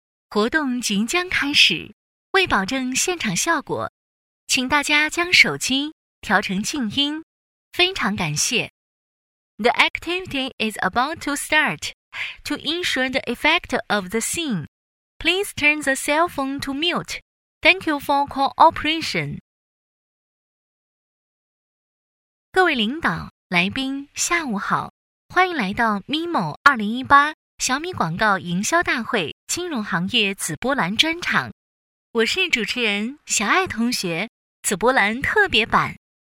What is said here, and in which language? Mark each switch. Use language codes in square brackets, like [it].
[zh] 活动即将开始，为保证现场效果，请大家将手机调成静音，非常感谢。 [en] The activity is about to start. To ensure the effect of the scene, please turn the cell phone to mute. Thank you for cooperation. [zh] 各位领导、来宾，下午好，欢迎来到 MIMO 2018小米广告营销大会金融行业紫波兰专场，我是主持人小爱同学，紫波兰特别版。